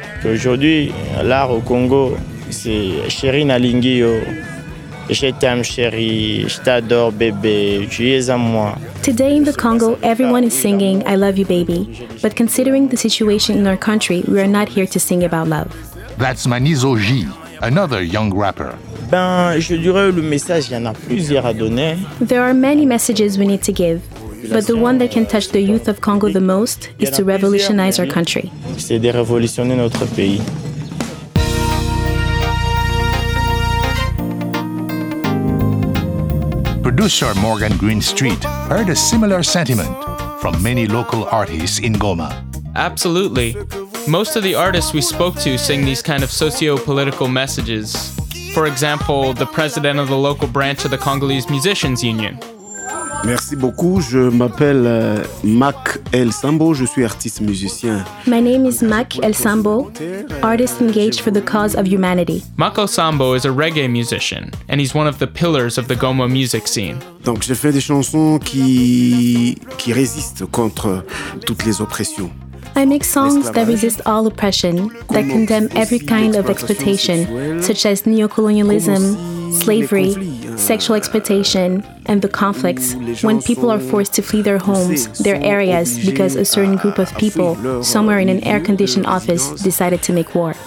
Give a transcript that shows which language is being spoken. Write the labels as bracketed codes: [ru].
[fr] Aujourd'hui, l'art au Congo, c'est Chéri Nalingio. Je t'aime, chérie. Je t'adore, bébé. Tu es à moi. [en] Today in the Congo, everyone is singing, I love you, baby. But considering the situation in our country, we are not here to sing about love. That's Manizo J, another young rapper. [fr] Ben, je dirais le message, il y en a plusieurs à donner. [en] There are many messages we need to give. But the one that can touch the youth of Congo the most is to revolutionize our country. [fr] C'est de révolutionner notre pays. [en] Producer Morgan Greenstreet heard a similar sentiment from many local artists in Goma. Absolutely. Most of the artists we spoke to sing these kind of socio-political messages. For example, the president of the local branch of the Congolese Musicians Union. [fr] Merci beaucoup. Je m'appelle Mac El Sambo. Je suis artiste musicien. [en] My name is Mac El Sambo, artist engaged for the cause of humanity. Mac El Sambo is a reggae musician, and he's one of the pillars of the Goma music scene. [fr] Donc, je fais des chansons qui résistent contre toutes les oppressions. [en] I make songs that resist all oppression, that condemn every kind of exploitation, such as neocolonialism, slavery, sexual exploitation, and the conflicts when people are forced to flee their homes, their areas, because a certain group of people, somewhere in an air-conditioned office, decided to make war.